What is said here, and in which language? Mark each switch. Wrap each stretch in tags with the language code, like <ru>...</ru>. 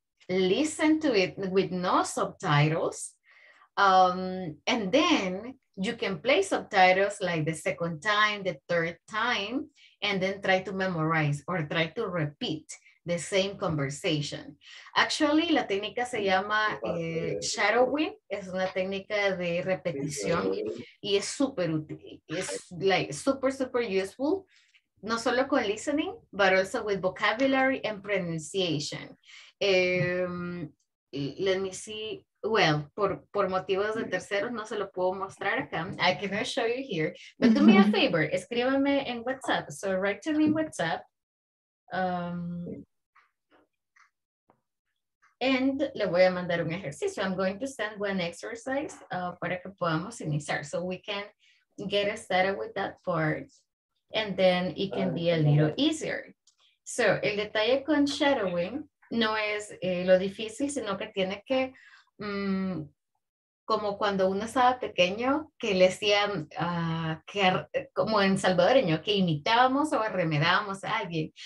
<en>Listen to it with no subtitles. And then you can play subtitles like the second time, the third time, and then try to memorize or try to repeat the same conversation. Actually,</en> <es>la técnica se llama shadowing. Es una técnica de repetición y es súper útil.</es> <en>It's like super, super useful.</en> <es>No solo con</es> <en>listening, but also with vocabulary and pronunciation. Let me see. Well,</en> <es>por motivos de terceros no se lo puedo mostrar acá.</es> <en>I cannot show you here. But do me a favor,</en> <es>escríbame en WhatsApp.</es> <en>So write to me in WhatsApp.</en> <es>And le voy a mandar un ejercicio.</es> <en>I'm going to send one exercise</en> <es>para que podamos iniciar.</es> <en>So we can get started with that part. And then it can be a little easier.</en> <es>So el detalle con shadowing no es lo difícil, sino que tiene que, como cuando uno estaba pequeño, que le decían, como en salvadoreño, que imitábamos o arremedábamos a alguien.</es>